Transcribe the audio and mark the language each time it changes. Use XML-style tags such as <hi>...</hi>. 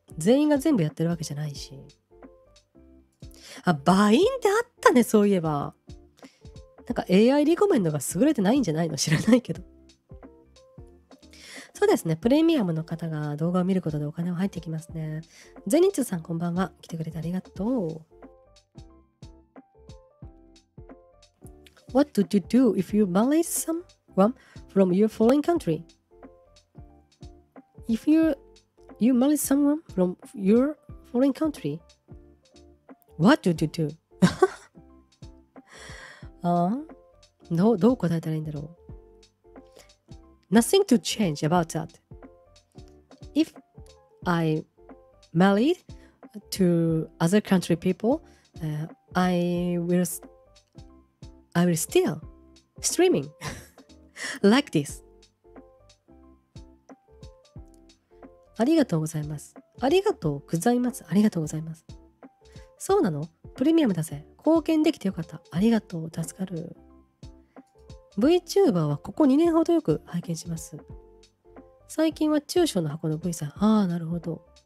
<ja>全員が全部やってるわけじゃないし。あ、バインってあったね、そういえば。なんか AI リコメンドが優れてないんじゃないの、知らないけど。そうですね、プレミアムの方が動画を見ることでお金は入ってきますね。ゼニッツさん、こんばんは。来てくれてありがとう。</ja> <en>What do you do if you marry someone from your foreign country? If you marry someone from your foreign country, what do you do?</en> <ja>どう答えたらいいんだろう。</ja> <en>Nothing to change about that. If I married to other country people, I will still streaming like this.</en> <ja>ありがとうございます。ありがとうございます。ありがとうございます。そうなの？プレミアムだぜ。貢献できてよかった。ありがとう。助かる。 VTuber はここ2年ほどよく拝見します。最近は中小の箱の V さん。ああ、なるほど。</ja>